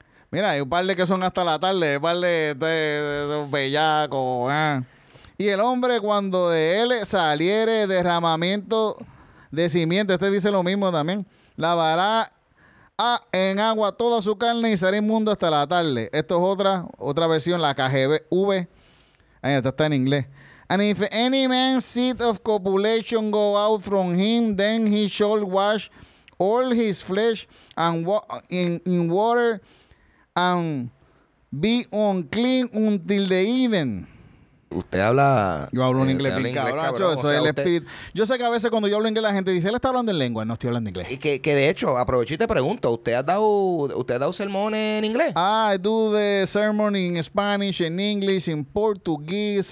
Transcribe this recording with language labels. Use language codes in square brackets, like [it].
[es] Mira, hay un par de que son hasta la tarde, un par de bellacos. Y el hombre cuando de él saliere derramamiento de simiente, este dice lo mismo también, lavará en agua toda su carne y será inmundo hasta la tarde. Esto es otra versión, la KJV. Ahí está en inglés. [en] And if any man's seed of copulation go out from him, then he shall wash all his flesh and in water, and be unclean until the even. [es] Usted habla... Yo hablo en inglés, cabrón. Eso es el espíritu. Yo sé que a veces cuando yo hablo inglés la gente dice, él está hablando en lengua. No, estoy hablando inglés. Y que de hecho, aprovecho y te pregunto, ¿usted ha dado sermones en inglés? [en] I do the sermon in Spanish, in English, in Portuguese.